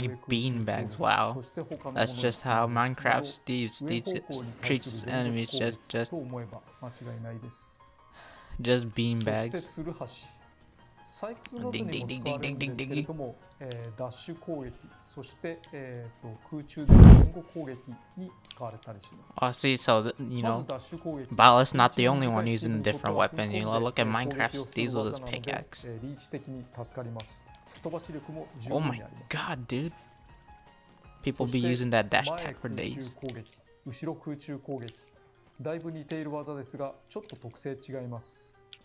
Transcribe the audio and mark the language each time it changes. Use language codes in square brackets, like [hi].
[ja] 上へ行く。 [en] Like beanbags. Wow. That's just how Minecraft treats his enemies. Just [ja] と思えば間違いないです。 [en] Just beanbags. [ja] そしてツルハシ。採掘などにも使われるんですけれども、ダッシュ攻撃、そして、空中で援護攻撃に使われたりします。 [en] Oh, see, so you know, Bala's not the only one using a different weapon. You know, look at Minecraft Steve with his pickaxe. [ja] リーチ的に助かります。吹っ飛ばし力も十分あります。 [en] Oh my god, dude! People be using that dash attack for days. [ja] 前空中攻撃、後ろ空中攻撃。だいぶ似ている技ですが、ちょっと特性違います。